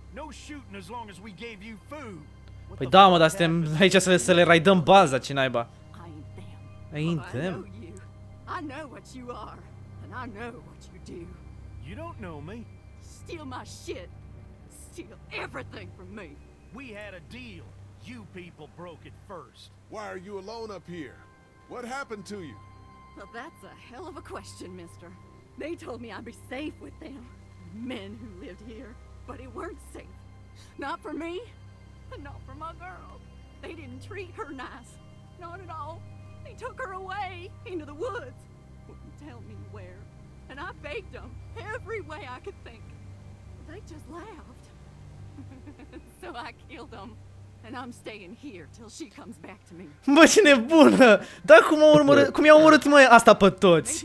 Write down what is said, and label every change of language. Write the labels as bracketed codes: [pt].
[en] No shooting as long as we gave you food. [ro] Păi da, mă, dar suntem aici să le raidăm baza, ce naiba. [en] I ain't them. I know you. I know what you are. A And I know what you do. You don't know me. Steal my shit. Steal everything from me. We had a deal. You people broke it first. Why are you alone up here? What happened to you? Well, that's a hell of a question, mister. They told me I'd be safe with them. Men who lived here. But it weren't safe. Not for me. Not for my girl. They didn't treat her nice. Not at all. They took her away into the woods. Wouldn't tell me where. And I faked them every way I could think. They just laughed. So I killed them. And I'm staying here till she comes back to me. [ro] Bă, ce nebună! Da, cum, cum i-a omorât mai asta pe toți?